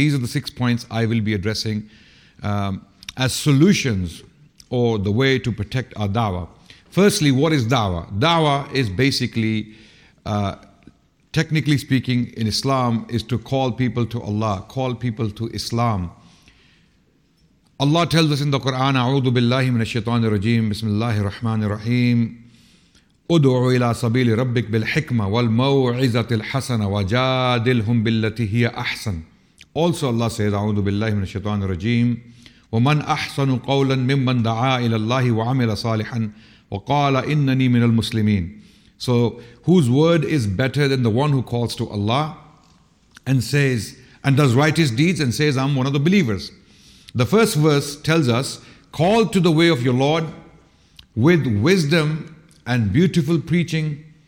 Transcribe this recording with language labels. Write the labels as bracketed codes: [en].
[en] These are the 6 points I will be addressing as solutions or the way to protect our da'wah. Firstly, what is da'wah? Da'wah is basically, technically speaking in Islam, is to call people to Allah, call people to Islam. Allah tells us in the Quran, [ar] أعوذ بالله من الشيطان الرجيم بسم الله الرحمن الرحيم ادعو إلى سبيل ربك بالحكمة والموعظة الحسنة وجادلهم بالتي هي أحسن. [en] Also Allah says, [ar] أعوذ بالله من الشيطان الرجيم ومن أحسن قولا ممن دعا إلى الله وعمل صالحا وقال إنني من المسلمين. [en] So whose word is better than the one who calls to Allah and says and does righteous deeds and says, I'm one of the believers? The first verse tells us, call to the way of your Lord with wisdom and beautiful preaching.